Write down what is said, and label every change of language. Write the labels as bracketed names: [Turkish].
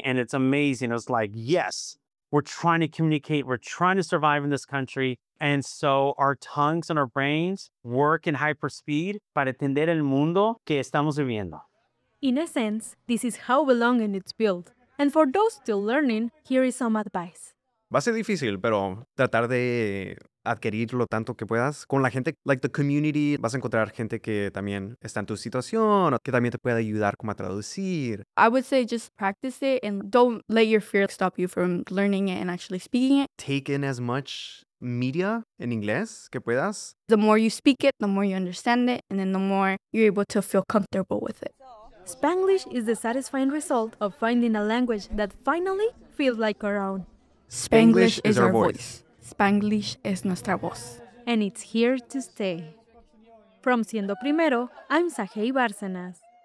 [English] And it's amazing. It's like, yes, we're trying to communicate. We're trying to survive in this country. And so our tongues and our brains work in hyperspeed [Spanish] para entender el mundo que estamos viviendo. [English] In a sense, this is how belonging is built. And for those still learning, here is some advice. [Spanish] Va a ser difícil, pero tratar de adquirir lo tanto que puedas con la gente, [English] like the community, [Spanish] vas a encontrar gente que también está en tu situación, que también te puede ayudar como a traducir. [English] I would say just practice it and don't let your fear stop you from learning it and actually speaking it. Take in as much media [Spanish] en inglés que puedas. [English] The more you speak it, the more you understand it, and then the more you're able to feel comfortable with it. Spanglish is the satisfying result of finding a language that finally feels like our own. Spanglish is our voice. [Spanish] Spanglish es nuestra voz. [English] And it's here to stay. From Siendo Primero, I'm Sahei Bárcenas.